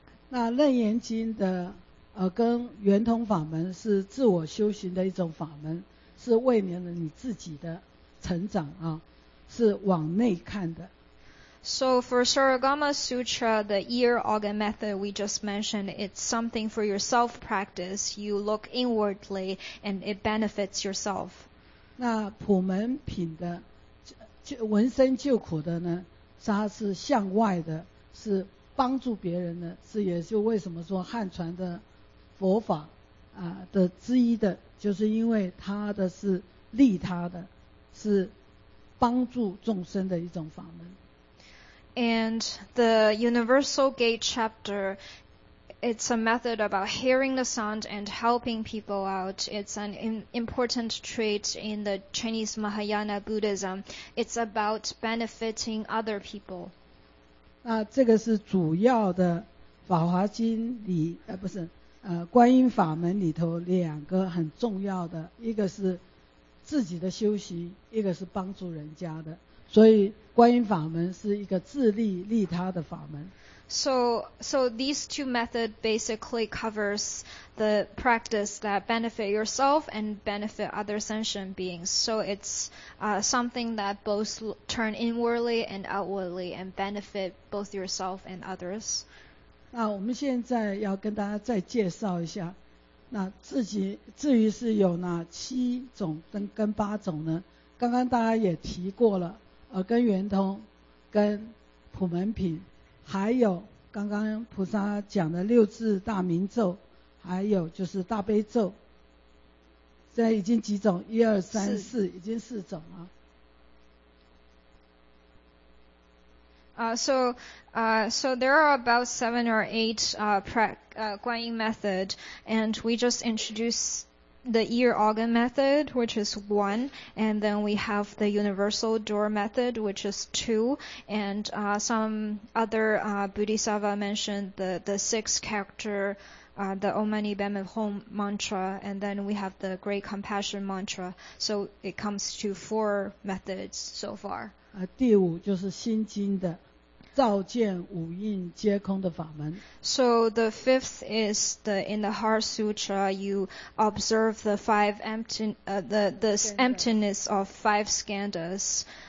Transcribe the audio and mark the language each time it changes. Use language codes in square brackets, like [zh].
[zh] 那楞严经的跟圆通法门是自我修行的一种法门，是为了你自己的。成长啊，是往内看的。 [en] So for Sarvagama Sutra, the ear organ method we just mentioned, it's something for your self-practice. You look inwardly and it benefits yourself. [zh] 那普门品的闻声救苦的呢，它是向外的，是帮助别人的，是也就为什么说汉传的佛法啊的之一的，就是因为它的是利他的，是帮助众生的一种法门。 [en] And the Universal Gate Chapter, it's a method about hearing the sound and helping people out. It's an important trait in the Chinese Mahayana Buddhism. It's about benefiting other people. [zh] 那这个是主要的法华经里，不是，观音法门里头两个很重要的，一个是自己的修习，一个是帮助人家的。所以观音法门是一个自利利他的法门。 [en] So these two methods basically covers the practice that benefit yourself and benefit other sentient beings. So it's something that both turn inwardly and outwardly and benefit both yourself and others. [zh] 那我们现在要跟大家再介绍一下，那自己至于是有哪七种跟八种呢？刚刚大家也提过了。跟圆通跟普门品还有刚刚菩萨讲的六字大明咒还有就是大悲咒现在已经几种一二三四已经四种了 [en] So there are about seven or eight Guan Yin method and we just introduced the ear organ method, which is one, and then we have the universal door method, which is two, and some other Bodhisattva mentioned the six character, the Om Mani Padme Hum mantra, and then we have the great compassion mantra. So it comes to four methods so far. [zh] 第五就是心经的照见五蕴皆空的法门。 [en] So the fifth is the in the Heart Sutra, you observe the five empty, the emptiness of five skandhas.